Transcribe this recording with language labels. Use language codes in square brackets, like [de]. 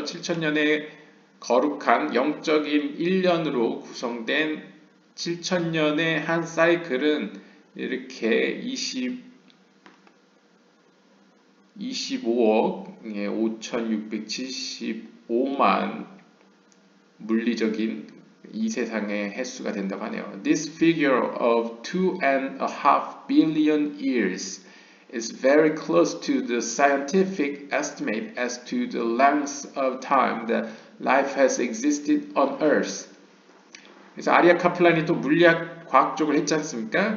[ko] 7,000년의 거룩한 영적인 1년으로 구성된 7,000년의 한 사이클은 이렇게 25억 5,675만 물리적인 이 세상의 횟수가 된다고 하네요. [en] This figure of 2.5 billion years is very close to the scientific estimate as to the length of time that life has existed on Earth. [ko] 그래서 아리아 카플란이 또 물리학 과학 쪽을 했지 않습니까?